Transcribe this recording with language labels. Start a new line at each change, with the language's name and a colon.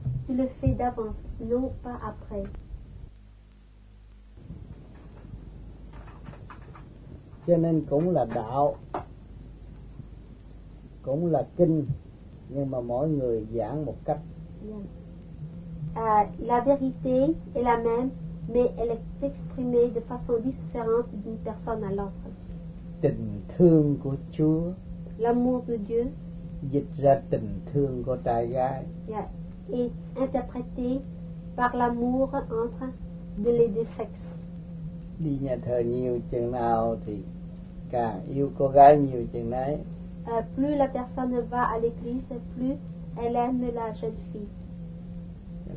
French: Tu le fais d'avance, non pas après.
Vietnamese: Cho nên cũng là đạo, cũng là kinh, nhưng mà mỗi người giảng một cách. Yeah.
French: La vérité est la même, mais elle est exprimée de façon différente d'une personne à l'autre.
Vietnamese: tình thương của Chúa.
French: L'amour de Dieu.
Vietnamese: Dịch ra tình thương của trai gái. Yeah.
French: Et interprété par l'amour entre de les deux sexes.
Vietnamese: Đi nhà thờ nhiều chừng nào thì càng yêu cô gái nhiều chừng đấy.
French: Plus la personne va à l'église, plus elle aime la jeune fille.